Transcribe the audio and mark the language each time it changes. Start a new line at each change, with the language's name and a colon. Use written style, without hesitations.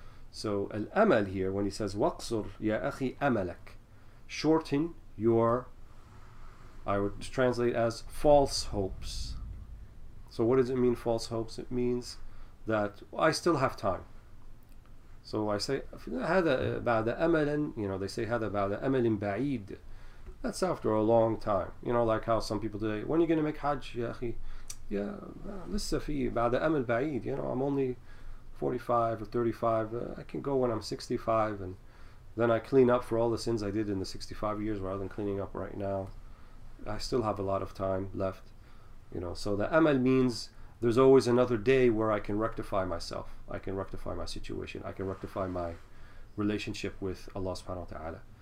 English: So al-amal here, when he says
Arabic: waqsur ya akhi amalak,
English: shorten your, I would translate as false hopes. So what does it mean, false hopes? It means that I still have time. So I say,
Arabic: هذا بعد أمل,
English: they say
Arabic: هذا بعد أمل بعيد.
English: That's after a long time. Like how some people today, when are you going to make Hajj,
Arabic: يا أخي? Yeah, لسه في بعد أمل بعيد.
English: I'm only 45 or 35. I can go when I'm 65, and then I clean up for all the sins I did in the 65 years rather than cleaning up right now. I still have a lot of time left. So the أمل means there's always another day where I can rectify myself. I can rectify my situation. I can rectify my relationship with Allah subhanahu wa ta'ala.